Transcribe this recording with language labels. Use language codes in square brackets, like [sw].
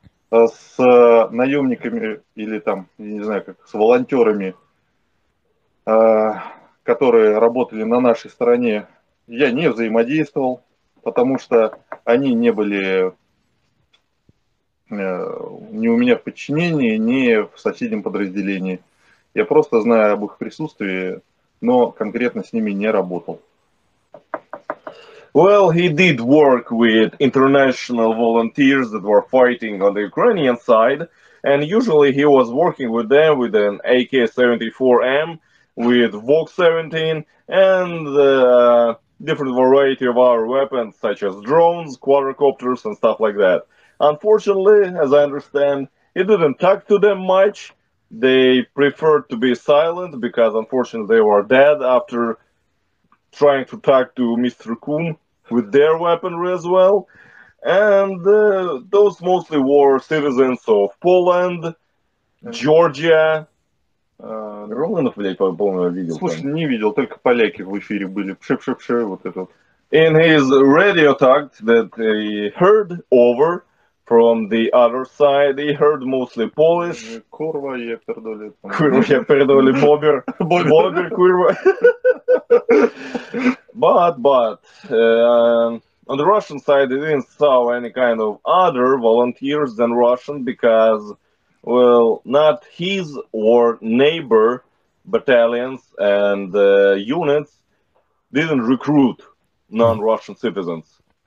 [ru] С наемниками или там, я не знаю, как с волонтерами, которые работали на нашей стороне, я не взаимодействовал, потому что они не были ни у меня в подчинении, ни в соседнем подразделении. Я просто знаю об их присутствии, но конкретно с ними не работал. [en] Well, he did work with international volunteers that were fighting on the Ukrainian side, and usually he was working with them with an AK-74M, with VOK-17, and different variety of our weapons, such as drones, quadricopters, and stuff like that. Unfortunately, as I understand, it didn't talk to them much. They preferred to be silent because, unfortunately, they were dead after trying to talk to Mr. Kuhn with their weaponry as well. And those mostly were citizens of Poland, Georgia. [ru] Романов, блядь, по-моему, видел. Слушай, не видел, только поляки в эфире были. Пшеп-шеп-шеп, вот это. [en] In his radio talk that he heard over, from the other side, he heard mostly Polish. Курва, я передали. Курва, я передали. Бобер. Бобер, курва. But, on the Russian side, he didn't saw any kind of other volunteers than Russian because, well, not his or neighbor battalions and units didn't recruit non-Russian citizens.